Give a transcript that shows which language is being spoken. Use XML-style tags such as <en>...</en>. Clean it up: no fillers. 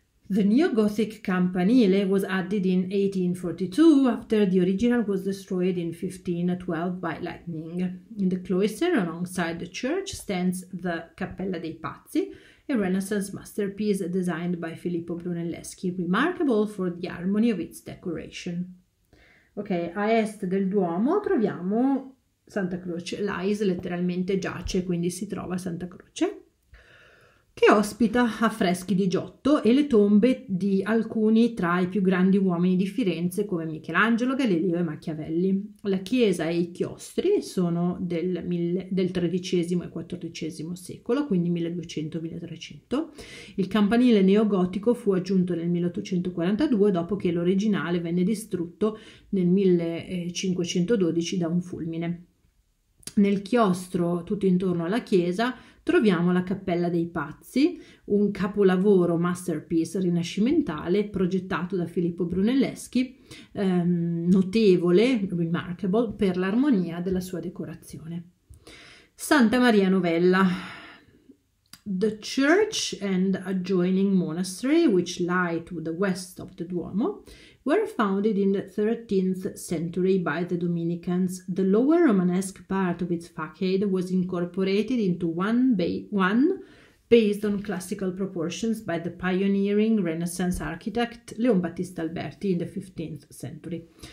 <en>The Neo-Gothic campanile was added in 1842 after the original was destroyed in 1512 by lightning. In the cloister alongside the church stands the Cappella dei Pazzi, a Renaissance masterpiece designed by Filippo Brunelleschi, remarkable for the harmony of its decoration.</en> <it>Ok, a est del Duomo troviamo Santa Croce. L'AIS letteralmente giace, quindi si trova Santa Croce, che ospita affreschi di Giotto e le tombe di alcuni tra i più grandi uomini di Firenze come Michelangelo, Galileo e Machiavelli. La chiesa e i chiostri sono del XIII e XIV secolo, quindi 1200-1300. Il campanile neogotico fu aggiunto nel 1842 dopo che l'originale venne distrutto nel 1512 da un fulmine. Nel chiostro, tutto intorno alla chiesa, troviamo la Cappella dei Pazzi, un capolavoro masterpiece rinascimentale progettato da Filippo Brunelleschi, notevole, remarkable, per l'armonia della sua decorazione. Santa Maria Novella.</it> <en>The church and adjoining monastery, which lie to the west of the Duomo, were founded in the 13th century by the Dominicans. The lower Romanesque part of its facade was incorporated into one based on classical proportions by the pioneering Renaissance architect Leon Battista Alberti in the 15th century.</en>